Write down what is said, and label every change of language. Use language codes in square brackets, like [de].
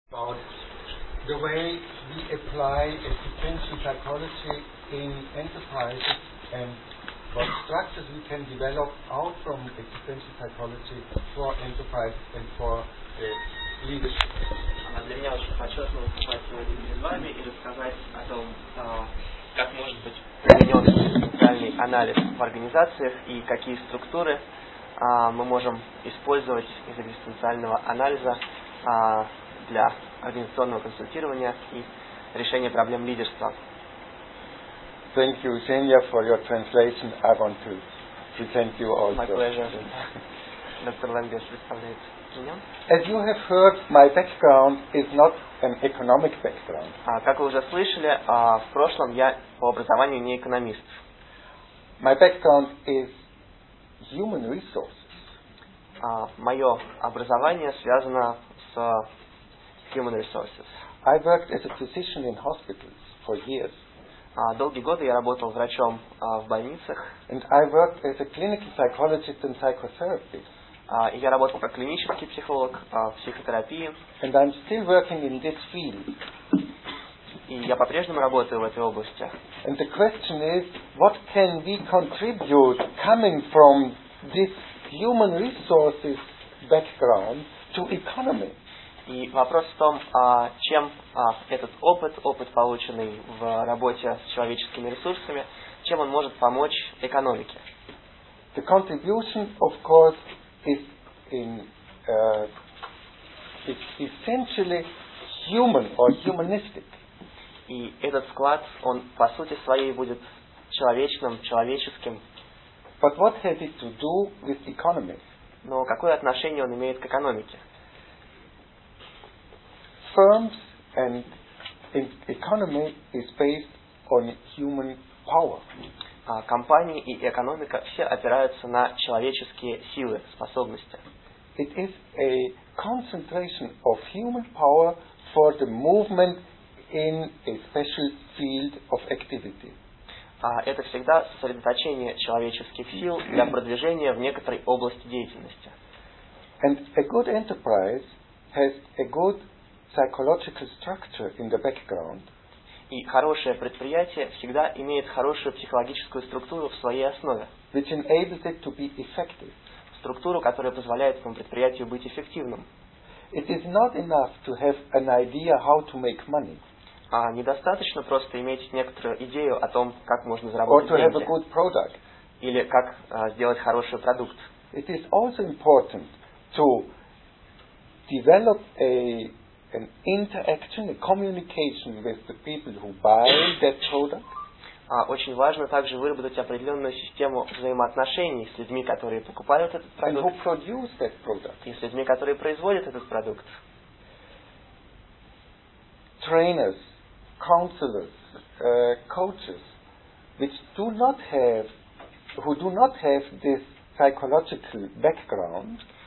[en] about the way we apply efficiency psychology in enterprises and what structures we can develop out from efficiency psychology for enterprise and for leadership. [ru] Она для меня очень по-честному выступает сегодня перед вами и рассказать о том, как может быть применен социальный анализ в организациях и какие структуры мы можем использовать из экзистенциального анализа для организационного консультирования и решения проблем лидерства. [en] Thank you, Xenia, for your translation. I want to present you also. My pleasure. Dr. Langer [ru] представляет меня. [en] As you have heard, my background is not an economic background. [ru] Как вы уже слышали, в прошлом я по образованию не экономист. [en] My background is human resources. [ru] Мое образование связано с human resources. [en] I worked as a physician in hospitals for years. [ru] Долгие годы я работал врачом в больницах. [en] And I worked as a clinical psychologist and psychotherapist. [ru] Я работал как клинический психолог в психотерапии. [en] And I'm still working in this field. [ru] И я по-прежнему работаю в этой области. [en] And the question is, what can we contribute coming from this human resources background to economy? [ru] И вопрос в том, чем этот опыт, опыт полученный в работе с человеческими ресурсами, чем он может помочь экономике? [en] The contribution, of course, is in it's essentially human or humanistic. [ru] И этот вклад, он по сути своей будет человечным, человеческим. [en] But what has it to do with economy? [ru] Но какое отношение он имеет к экономике? [en] Firms and economy is based on human power. [ru] Компании и экономика все опираются на человеческие силы, способности. [en] It is a concentration of human power for the movement in a special field of activity. [ru] Это всегда сосредоточение человеческих сил для продвижения в некоторой области деятельности. [en] And a good enterprise has a good psychological structure in the background. [ru] И хорошее предприятие всегда имеет хорошую психологическую структуру в своей основе. [en] Which enables it to be effective. [ru] Структуру, которая позволяет этому предприятию быть эффективным. [en] It is not enough to have an idea how to make money. [ru] Недостаточно просто иметь некоторую идею о том, как можно заработать деньги. [en] Or to have a good product. [ru] Или как сделать хороший продукт. [en] It is also important to develop an interaction, a communication with the people who buy that product. [ru] Очень важно также выработать определенную систему взаимоотношений с людьми, которые покупают этот продукт. [en] And who produce that product. [ru] И с людьми, которые производят этот продукт. [en] Trainers, counselors, coaches, who do not have this psychological background.